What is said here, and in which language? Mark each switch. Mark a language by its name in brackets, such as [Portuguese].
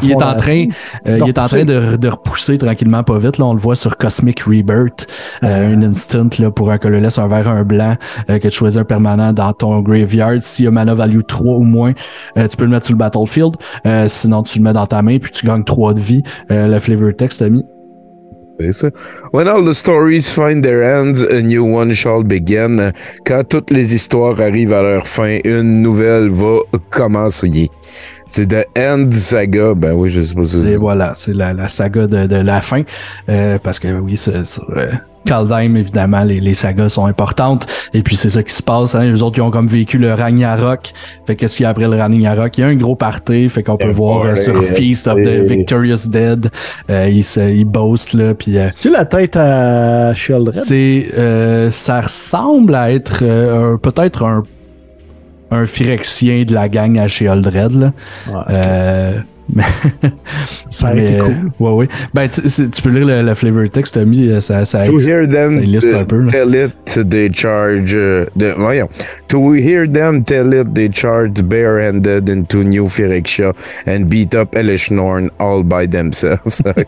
[French] il est en train, il est en train de repousser tranquillement, pas vite. Là, on le voit sur Cosmic Rebirth, un instant là, pour un colorless, un vert, un blanc, que tu choisis un permanent dans ton graveyard. S'il y a mana value 3 ou moins, tu peux le mettre sur le battlefield. Sinon, tu le mets dans ta main puis tu gagnes 3 de vie. Le flavor text, t'as mis. [English] When all the stories find their ends, a new one shall begin. [French] Quand toutes les histoires arrivent à leur fin, une nouvelle va commencer. C'est The End Saga. Ben oui, je sais pas ce que c'est. Et voilà, c'est la saga de la fin. Parce que oui, c'est Kaldheim, évidemment, les sagas sont importantes. Et puis c'est ça qui se passe. Hein. Eux autres, ils ont comme vécu le Ragnarok. Fait qu'est-ce qu'il y a après le Ragnarok? Il y a un gros party. Fait qu'on peut voir sur Feast of the Victorious Dead. Ils boastent là. C'est-tu la tête à Sheldred? Ça ressemble à être peut-être un Phyrexien de la gang à Sheldred. Là. Ouais, okay. Ça a été cool. Ouais, ouais. Ben, tu peux lire le flavor text, Tommy. Ça [English] hear them [French] ça un peu. [English] Tell it, they charge. [French] Voyons. [English] To hear them tell it, they charge barehanded into New Phyrexia and beat up Elishnorn all by themselves.